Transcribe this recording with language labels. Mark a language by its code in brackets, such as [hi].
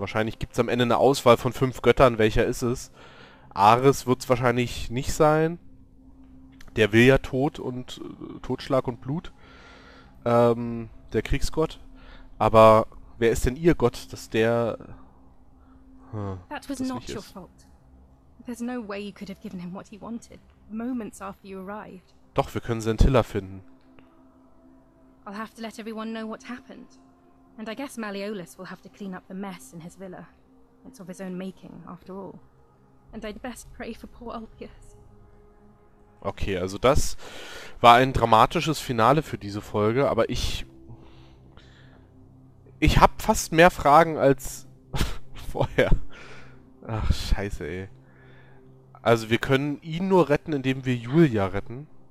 [de] Wahrscheinlich gibt es am Ende eine Auswahl von 5 Göttern. Welcher ist es? Ares wird es wahrscheinlich nicht sein. Der will ja Tod und... Totschlag und Blut. Der Kriegsgott. Aber wer ist denn ihr Gott, dass der... [en] That was not your fault. There's no way you could have given him what he wanted moments after you arrived. [de] Doch, wir können Scintilla finden. [en] I'll have to let everyone know what happened. And I guess Malleolus will have to clean up the mess in his villa. It's of his own making, after all. And I'd best pray for poor Ulpius. [de] Okay, also das war ein dramatisches Finale für diese Folge, aber ich hab fast mehr Fragen als vorher. Ach, scheiße, ey. Also wir können ihn nur retten, indem wir Julia retten.